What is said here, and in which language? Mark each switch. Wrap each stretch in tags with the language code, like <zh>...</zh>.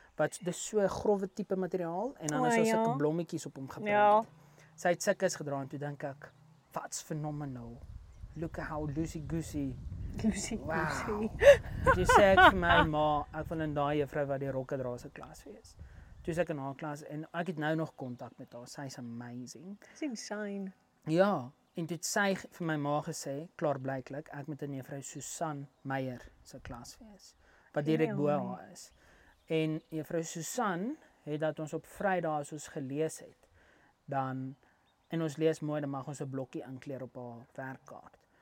<af>Wat dis so 'n grove tipe materiaal en dan is daar sulke blommetjies op hom gebrand. Ja. Sy het sukkes gedra en toe dink ek, wat's fenomenal.</af> <en>Look how loosey goosey. Loosey goosey.</en> <af>Jy sê ek vir my ma, ek wil in daai juffrou wat die rokke dra se klas wees. Toe sê ek in haar klas en ek het nou nog kontak met haar. Sy's amazing.</af> <en>It's insane.</en> <af>Ja, en toe het sy vir my ma gesê, klaarblyklik, ek moet in juffrou Susan Meyer se klas wees. Wat direk bo haar is. En juffrou Susan het dat ons op Vrydag as ons gelees het, dan, en ons lees mooi, dan mag ons 'n blokkie inkleer op haar werkkaart.</af>